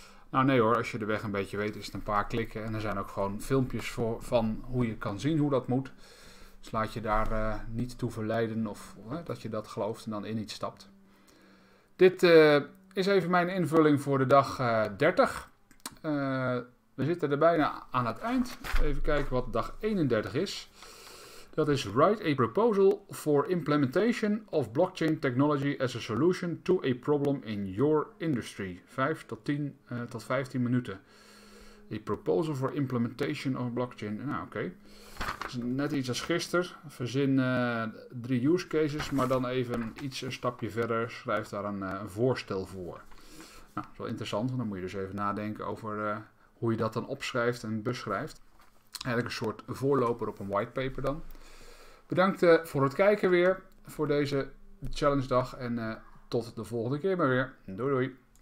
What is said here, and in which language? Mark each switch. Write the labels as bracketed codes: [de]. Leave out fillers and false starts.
[nl] Nou nee hoor, als je de weg een beetje weet, is het een paar klikken. En er zijn ook gewoon filmpjes voor, van hoe je kan zien hoe dat moet. Dus laat je daar niet toe verleiden of dat je dat gelooft en dan in iets stapt. Dit is even mijn invulling voor de dag 30. We zitten er bijna aan het eind. Even kijken wat dag 31 is. Dat is [en] write a proposal for implementation of blockchain technology as a solution to a problem in your industry. [nl] 5 tot 10 tot 15 minuten. [en] A proposal for implementation of blockchain. [nl] Nou, oké. Okay. Net iets als gisteren. Verzin 3 use cases, maar dan even iets een stapje verder. Schrijf daar een voorstel voor. Nou, dat is wel interessant, want dan moet je dus even nadenken over hoe je dat dan opschrijft en beschrijft. Eigenlijk een soort voorloper op een whitepaper dan. Bedankt voor het kijken weer voor deze challenge dag. En tot de volgende keer maar weer. Doei doei.